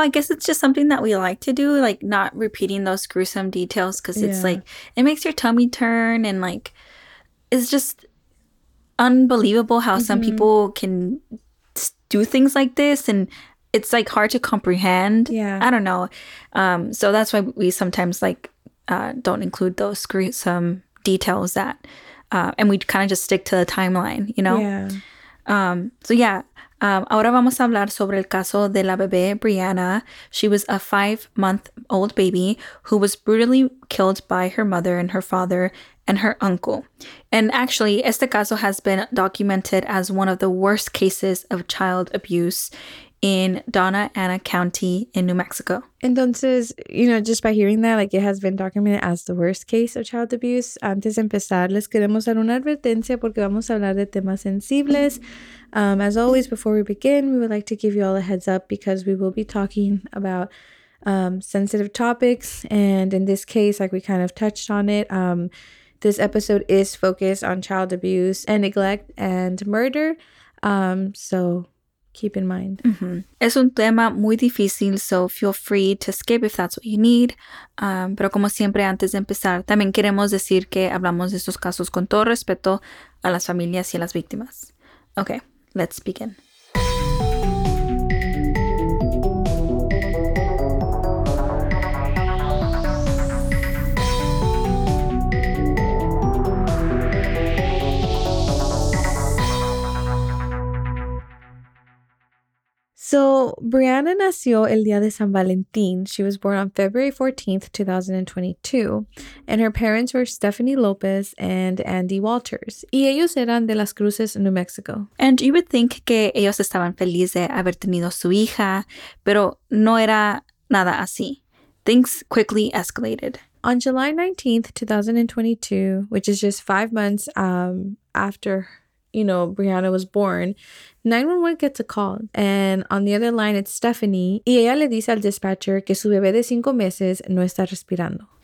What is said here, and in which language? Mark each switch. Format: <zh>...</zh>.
<en>I guess it's just something that we like to do, like not repeating those gruesome details because it's like it makes your tummy turn and like it's just unbelievable how some people can do things like this and it's like hard to comprehend. Yeah. I don't know. So that's why we sometimes like don't include those gruesome details that and we kind of just stick to the timeline, you know?</en> <es>Ahora vamos a hablar sobre el caso de la bebé Brianna.</es> <en>She was a 5-month-old baby who was brutally killed by her mother and her father and her uncle. And actually,</en> <es>este caso</es> <en>has been documented as one of the worst cases of child abuse in Doña Ana County in New Mexico. Entonces, you know, just by hearing that, like it has been documented as the worst case of child abuse.</en> <es>Antes de empezar, les queremos dar una advertencia porque vamos a hablar de temas sensibles.</es> <en>As always, before we begin, we would like to give you all a heads up because we will be talking about sensitive topics. And in this case, like we kind of touched on it, this episode is focused on child abuse and neglect and murder. So keep in mind.</en> <es>Es un tema muy difícil,</es> <en>so feel free to skip if that's what you need.</en> <es>Pero como siempre, antes de empezar, también queremos decir que hablamos de estos casos con todo respeto a las familias y a las víctimas.</es> <en>Okay. Let's begin.</en> <es>So, Brianna nació el día de San Valentín.</es> <en>She was born on February 14th, 2022. And her parents were Stephanie Lopez and Andy Walters.</en> <es>Y ellos eran de Las Cruces, New Mexico.</es> <en>And you would think</en> <es>que ellos estaban felices de haber tenido su hija, pero no era nada así.</es> <en>Things quickly escalated. On July 19th, 2022, which is just 5 months after, you know, Brianna was born, 911 gets a call, and on the other line, it's Stephanie,</en> <es>y ella le dice al dispatcher que su bebé de 5 meses no está respirando.</es>